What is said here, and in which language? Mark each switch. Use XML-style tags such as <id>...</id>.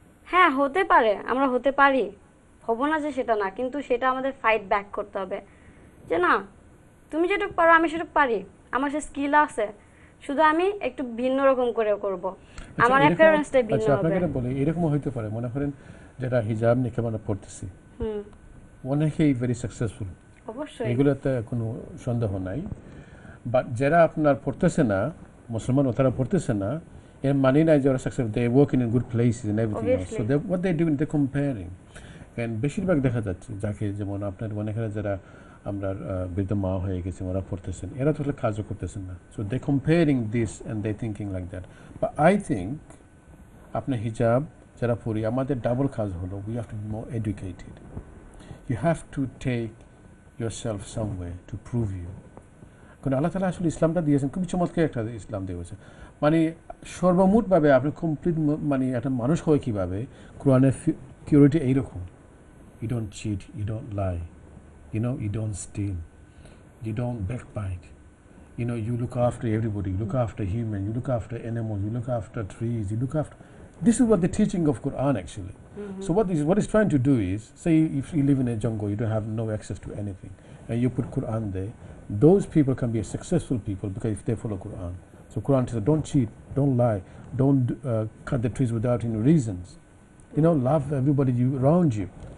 <bn>হ্যাঁ, হতে পারে, আমরা হতে পারি, হবো না যে সেটা না, কিন্তু সেটা আমাদের ফাইট ব্যাক করতে হবে যে না, তুমি যেটুকু পারো আমি সেটুকু পারি, আমার সে স্কিল আছে, শুধু আমি একটু ভিন্ন রকম করে করব, আমার অ্যাপিয়ারেন্সটা ভিন্ন হবে। আপনাকে বলি, এরকম হইতে পারে, মনে করেন যারা হিজাব নিকাব না পড়তেছে, অনেকেই</bn> <en>very successful,</en> <bn>অবশ্যই এগুলোতে কোনো সন্দেহ নাই, বাট যারা আপনার পড়তেছে না, মুসলমান ও তারা পড়তেছে না,</bn> <en>in Manina is already successful. They work in good places and everything Obviously. So they, what they're doing, they're comparing.</en> <bn>And বেশিরভাগ দেখা যাচ্ছে যাকে যেমন আপনার মনে করেন যারা আমরা বৃদ্ধ মা হয়ে গেছে ওরা পড়তেছেন এরা তো আসলে কাজও করতেছেন না</bn> <en>so they comparing this and they thinking like that but I think</en> <bn>আপনি হিজাব যারা পড়ি আমাদের ডাবল কাজ হলো</bn> <en>we have to be more educated you have to take yourself someway to prove you</en> <bn>কারণ আল্লাহ তালা আসলে ইসলামটা দিয়েছেন খুবই চমৎকার একটা ইসলাম দিয়েছে মানে সর্বমোটভাবে আপনি কমপ্লিট মানে একটা মানুষ হয় কীভাবে কোরআনের কিউরিটি এইরকম</bn> <en>You don't cheat, you don't lie, you know, you don't steal, you don't backbite, you know, you look after everybody, you look after human, you look after animals, you look after trees, you look after, this is what the teaching of Quran actually. Mm-hmm. So what it's trying to do is, say if you live in a jungle, you don't have no access to anything, and you put Quran there, those people can be a successful people because if they follow Quran. So Quran says, don't cheat, don't lie, don't cut the trees without any reasons, you know, love everybody you, around you.</en>